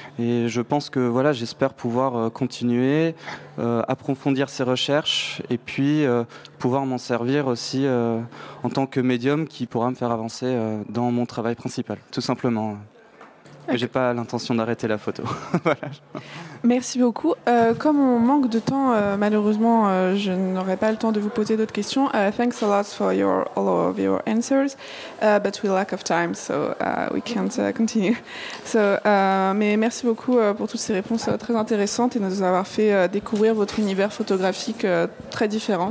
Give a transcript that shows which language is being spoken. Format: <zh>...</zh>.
<fr>Et je pense que voilà, j'espère pouvoir continuer, approfondir ces recherches et puis pouvoir m'en servir aussi en tant que médium qui pourra me faire avancer dans mon travail principal, tout simplement. Okay. J'ai pas l'intention d'arrêter la photo. Voilà. Merci beaucoup. Comme on manque de temps, malheureusement, je n'aurai pas le temps de vous poser d'autres questions.</fr> <en>Thanks a lot for all of your answers, but we lack of time, so we can't continue.</en> <fr>So, mais merci beaucoup pour toutes ces réponses très intéressantes et de nous avoir fait découvrir votre univers photographique très différent.</fr>